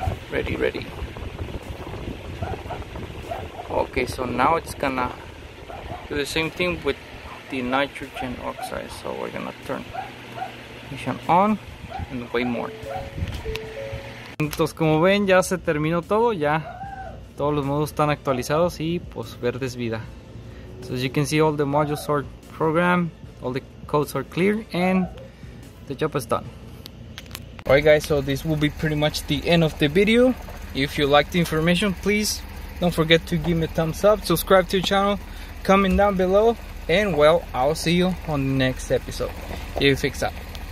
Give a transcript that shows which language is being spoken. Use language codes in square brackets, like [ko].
[en] Ready. Okay, so now it's gonna do the same thing with the nitrogen oxide. So we're gonna turn ignition on and way more. [es] Entonces, como ven, ya se terminó todo. Ya todos los modos están actualizados y pues verde es vida. [en] So as you can see, all the modules are programmed, all the codes are clear, and the job is done. Alright guys, so this will be pretty much the end of the video. If you like the information, please don't forget to give me a thumbs up, subscribe to the channel, comment down below, and well, I'll see you on the next episode. JVFIX out.